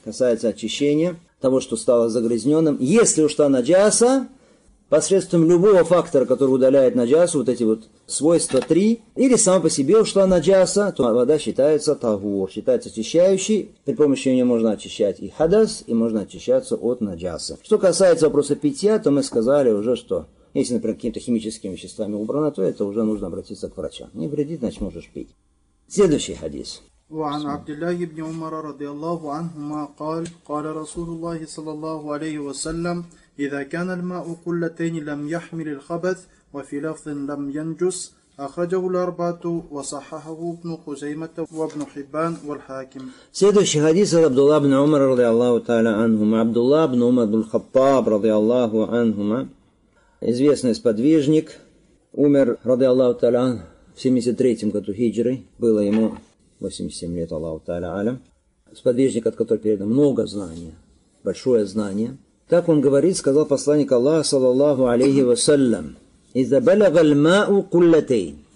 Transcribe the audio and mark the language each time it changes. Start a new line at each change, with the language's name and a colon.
Russian: Касается очищения того, что стало загрязненным. Если уж та наджаса, посредством любого фактора, который удаляет наджасу, вот эти вот свойства три, или сама по себе ушла наджаса, то вода считается тагур, считается очищающей. При помощи нее можно очищать и хадас, и можно очищаться от наджасы. Что касается вопроса питья, то мы сказали уже, что если, например, какими-то химическими веществами убрано, то это уже нужно обратиться к врачам. Не вредит, значит, можешь пить. Следующий хадис.
Arabic: وعن عبد الله بن عمر رضي الله عنهما قال قال رسول الله صلى الله عليه وسلم إذا كان الماء قلتين لم يحمل الخبث وفي لفظ لم ينجس أخرجه الأربعة وصححه ابن خزيمة وابن حبان والحاكم.
Russian: Следующий хадис от عبد الله بن عمر
Arabic: رضي الله تعالى عنهما. عبد الله بن عمر بن الخطاب رضي الله عنهما.
Russian: Известный сподвижник, умер, ради Аллаху Таля, в 73-м году хиджры, было ему 87 лет, Аллаху Таля Алям. Сподвижник, от которого передано много знания, большое знание. Так он говорит, сказал посланник Аллаха, саллаллаху алейхи вассалям,
Arabic: «Иза балага льмау куллатейн».